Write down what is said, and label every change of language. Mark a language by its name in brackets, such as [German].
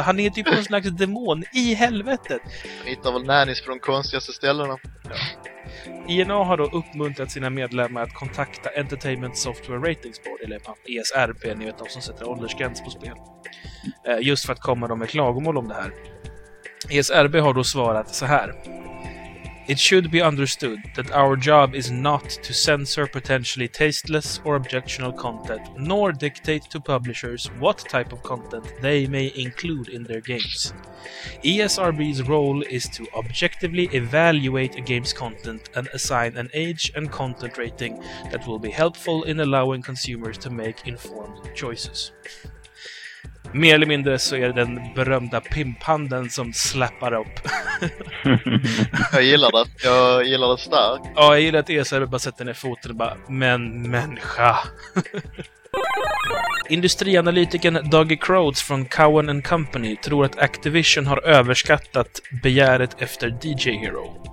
[Swedish] Han är typ en slags demon i helvetet. Jag hittar väl närings från de konstigaste ställena. INA har då uppmuntrat sina medlemmar att kontakta Entertainment Software Ratings Board, eller ESRB, ni vet de som sätter åldersgräns på spel, just för att komma dem med klagomål om det här. ESRB har då svarat så här: [English] It should be understood that our job is not to censor potentially tasteless or objectionable content, nor dictate to publishers what type of content they may include in their games. ESRB's role is to objectively evaluate a game's content and assign an age and content rating that will be helpful in allowing consumers to make informed choices. [Swedish] Mer eller mindre så är det den berömda pimphanden som släppar upp. Jag gillar det. Jag gillar det starkt. Ja, jag gillar att ESRB bara sätter ner foten och bara, men människa. Industrianalytiken Doug Crowds från Cowan & Company tror att Activision har överskattat begäret efter DJ Hero.